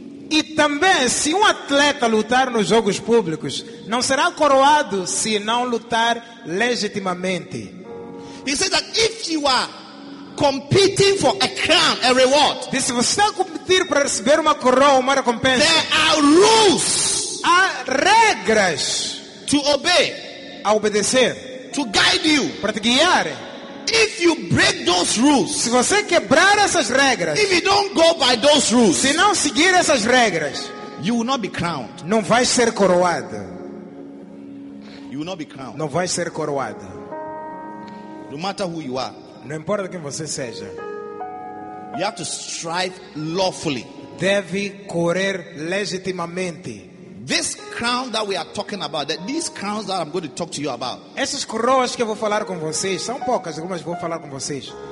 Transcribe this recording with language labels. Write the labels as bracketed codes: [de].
[pt] E também, se atleta lutar nos jogos públicos, não será coroado se não lutar legitimamente. [en] He says that if you are competing for a crown, a reward, [pt] se você está competindo para receber uma coroa, uma recompensa, [en] there are rules, [pt] há regras, [en] to obey, [pt] a obedecer, [en] to guide you, [pt] para te guiar. [en] If you break those rules, [pt] se você quebrar essas regras, [en] if you don't go by those rules, [pt] se não seguir essas regras, [en] you will not be crowned. [pt] Não vai ser coroado. [en] You will not be crowned. [pt] Não vai ser coroado. [en] No matter who you are, [pt] não importa quem você seja, [en] you have to strive lawfully. [pt] Deve correr legitimamente. [en] This crown that we are talking about, that these crowns that I'm going to talk to you about. [pt] Essas coroas que eu vou falar com vocês, são poucas, algumas vou falar com vocês.